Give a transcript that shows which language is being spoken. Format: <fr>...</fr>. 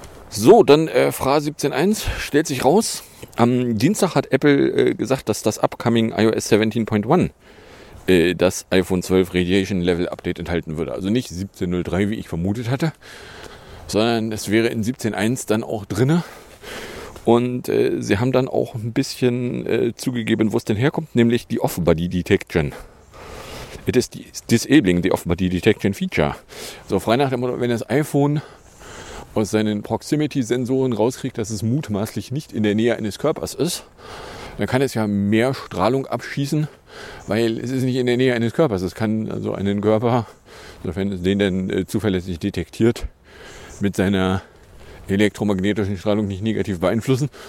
<de>So, dann FRA 17.1 stellt sich raus. Am Dienstag hat Apple gesagt, dass das upcoming iOS 17.1 das iPhone 12 Radiation Level Update enthalten würde. Also nicht 17.03, wie ich vermutet hatte, sondern es wäre in 17.1 dann auch drin. Und sie haben dann auch ein bisschen zugegeben, wo es denn herkommt, nämlich die Off-Body Detection.</de> <en>It is disabling the Off-Body Detection Feature.</en> <de>So, frei nach dem Motto, wenn das iPhone aus seinen Proximity-Sensoren rauskriegt, dass es mutmaßlich nicht in der Nähe eines Körpers ist, dann kann es ja mehr Strahlung abschießen, weil es ist nicht in der Nähe eines Körpers. Es kann also einen Körper, sofern es den denn zuverlässig detektiert, mit seiner elektromagnetischen Strahlung nicht negativ beeinflussen.</de>